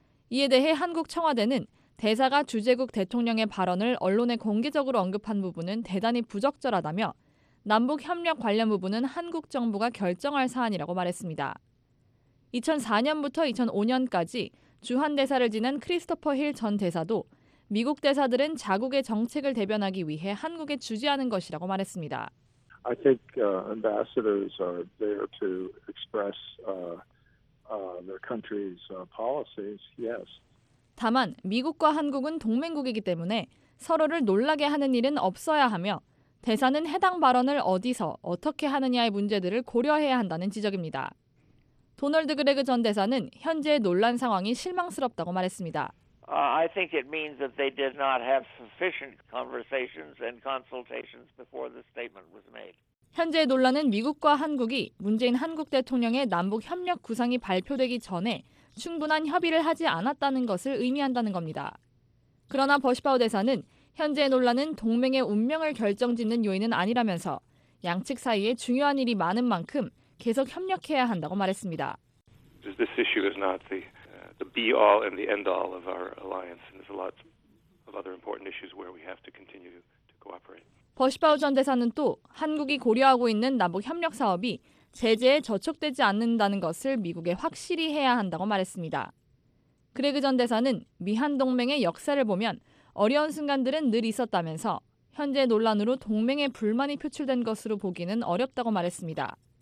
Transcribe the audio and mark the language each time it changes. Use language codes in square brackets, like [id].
[ko] 이에 대해 한국 청와대는 대사가 주재국 대통령의 발언을 언론에 공개적으로 언급한 부분은 대단히 부적절하다며 남북 협력 관련 부분은 한국 정부가 결정할 사안이라고 말했습니다. 2004년부터 2005년까지 주한대사를 지낸 크리스토퍼 힐 전 대사도 미국 대사들은 자국의 정책을 대변하기 위해 한국에 주재하는 것이라고 말했습니다. [en] I think ambassadors are there to express their country's policies, yes. [ko] 다만 미국과 한국은 동맹국이기 때문에 서로를 놀라게 하는 일은 없어야 하며 대사는 해당 발언을 어디서 어떻게 하느냐의 문제들을 고려해야 한다는 지적입니다. 도널드 그레그 전 대사는 현재의 논란 상황이 실망스럽다고 말했습니다. [en] I think it means that they did not have sufficient conversations and consultations before the statement was made. [ko] 현재의 논란은 미국과 한국이 문재인 한국 대통령의 남북 협력 구상이 발표되기 전에 충분한 협의를 하지 않았다는 것을 의미한다는 겁니다. 그러나 버시바우 대사는 현재의 논란은 동맹의 운명을 결정짓는 요인은 아니라면서 양측 사이에 중요한 일이 많은 만큼 계속 협력해야 한다고 말했습니다. [en] This issue is not the be-all and the end-all of our alliance, and there's a lot of other important issues where we have to continue to cooperate. [ko] 버시바우 전 대사는 또 한국이 고려하고 있는 남북 협력 사업이 제재에 저촉되지 않는다는 것을 미국에 확실히 해야 한다고 말했습니다. 그레그 전 대사는 미한 동맹의 역사를 보면 어려운 순간들은 늘 있었다면서 현재 논란으로 동맹의 불만이 표출된 것으로 보기는 어렵다고 말했습니다.